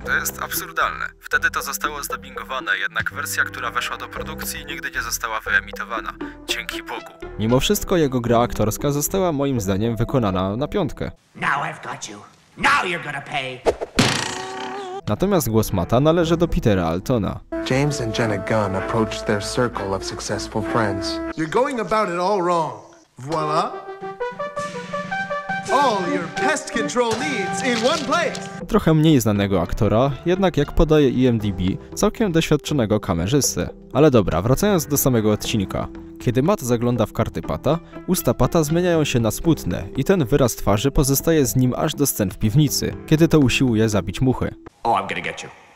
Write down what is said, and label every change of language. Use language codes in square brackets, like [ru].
[pl] To jest absurdalne. Wtedy to zostało zdubbingowane, jednak wersja, która weszła do produkcji, nigdy nie została wyemitowana. Dzięki Bogu. Mimo wszystko jego gra aktorska została moim zdaniem wykonana na piątkę. [en] Now I've got you. Now you're gonna pay. [pl] Natomiast głos Mata należy do Petera Altona. [en] James and Jenna Gunn approached their circle of successful friends. You're going about it all wrong. Voila. All your pest control needs in one place. [pl] Trochę mniej znanego aktora, jednak jak podaje IMDb, całkiem doświadczonego kamerzysty. Ale dobra, wracając do samego odcinka. Kiedy Matt zagląda w karty Pata, usta Pata zmieniają się na smutne i ten wyraz twarzy pozostaje z nim aż do scen w piwnicy, kiedy to usiłuje zabić muchy. [en] Oh, I'm gonna get you.